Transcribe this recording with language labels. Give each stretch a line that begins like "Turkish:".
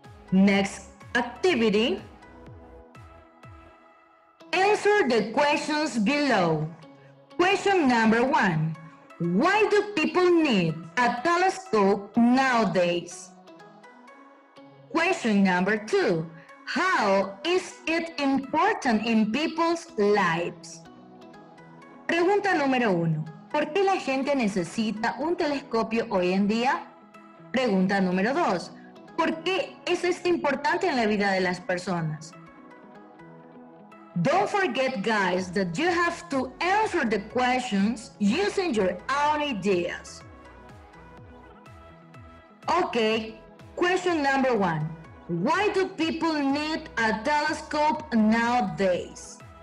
English: Next activity, answer the questions below. Question number one, why do people need a telescope nowadays? Question number two, how is it important in people's lives?
Spanish: Pregunta número uno, ¿por qué la gente necesita un telescopio hoy en día? Pregunta número dos, ¿por qué es esto importante en la vida de las personas?
English: Don't forget, guys, that you have to answer the questions using your own ideas. Okay, question number one. Why do people need a telescope nowadays?